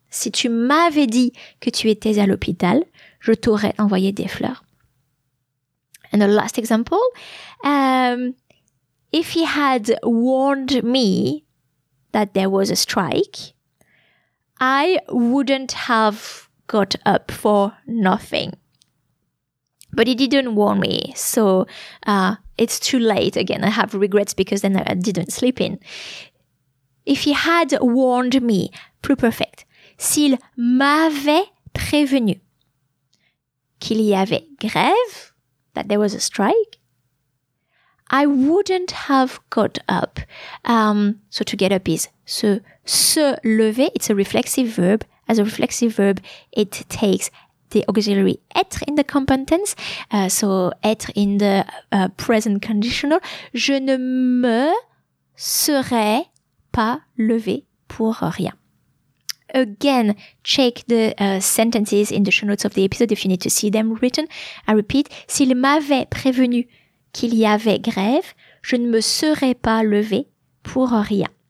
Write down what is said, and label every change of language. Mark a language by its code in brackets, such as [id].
[fr] Si tu m'avais dit que tu étais à l'hôpital, je t'aurais envoyé des fleurs. [en] And the last example, if he had warned me that there was a strike, I wouldn't have got up for nothing. But he didn't warn me, so it's too late again. I have regrets because then I didn't sleep in. If he had warned me, plus perfect, [fr] s'il m'avait prévenu qu'il y avait grève, [en] that there was a strike, I wouldn't have got up. So to get up is se lever. It's a reflexive verb. As a reflexive verb, it takes the auxiliary être in the compound tense. So être in the present conditional. [fr] Je ne me serais pas levé pour rien. [en] Again, check the sentences in the show notes of the episode if you need to see them written. I repeat, [fr] s'il m'avait prévenu qu'il y avait grève, je ne me serais pas levé pour rien.